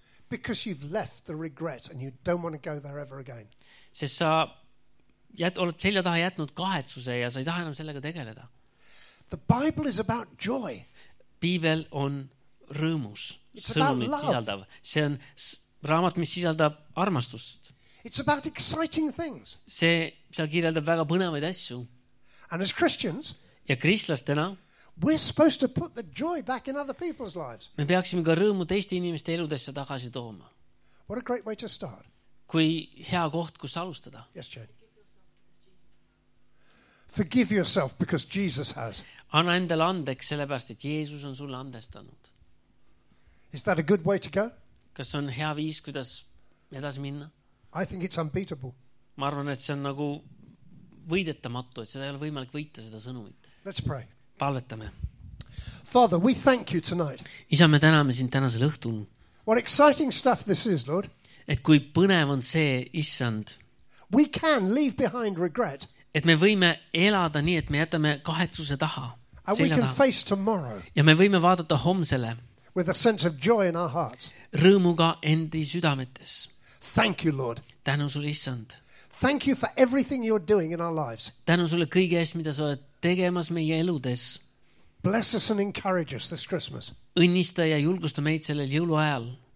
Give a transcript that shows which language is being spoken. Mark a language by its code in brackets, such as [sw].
[en] Because you've left the regret and you don't want to go there ever again. [et] Sest sa oled selja taha jätnud kahetsuse ja sa ei taha enam sellega tegeleda. [en] The Bible is about joy. [et] Piibel on rõõmus. [en] It's about love. [et] Sisaldav. See on raamat, mis sisaldab armastust. [en] It's about exciting things. [et] See seal kirjeldab väga põnevaid asju. [en] And as Christians, [et] ja kristlastena, [en] we're supposed to put the joy back in other people's lives. [et] Me peaksime ka rõõmu teiste inimeste eludesse tagasi tooma. [en] What a great way to start. [et] Kui hea koht, kus alustada. [en] Yes, Jane. Forgive yourself because Jesus has. [et] Anna endale andeks sellepärast, et Jeesus on sulle andestanud. [en] Is that a good way to go? [et] Kas on hea viis, kuidas edasi minna? [en] I think it's unbeatable. [et] Ma arvan, et see on nagu võidetamatu, et seda ei ole võimalik võita seda sõnumit. [en] Let's pray. [et] Palvetame. [en] Father, we thank you tonight. [et] Isa, me täname sind tänasel õhtul. [en] What exciting stuff this is, Lord. [et] Et kui põnev on see, issand. [en] We can leave behind regret. [et] Et me võime elada nii, et me jätame kahetsuse taha. [en] And we can face tomorrow. [et] Ja me võime vaadata homsele. [en] with a sense of joy in our hearts. [et] Rõõmuga endi südametes. [en] Thank you, Lord. [et] Tänu sulle, Issand. [en] Thank you for everything you're doing in our lives. [et] Tänu sulle kõige eest, mida sa oled tegemas meie eludes. [en] Bless us and encourage us this Christmas. [et] Õnnista ja julgusta meid sellel jõuluajal.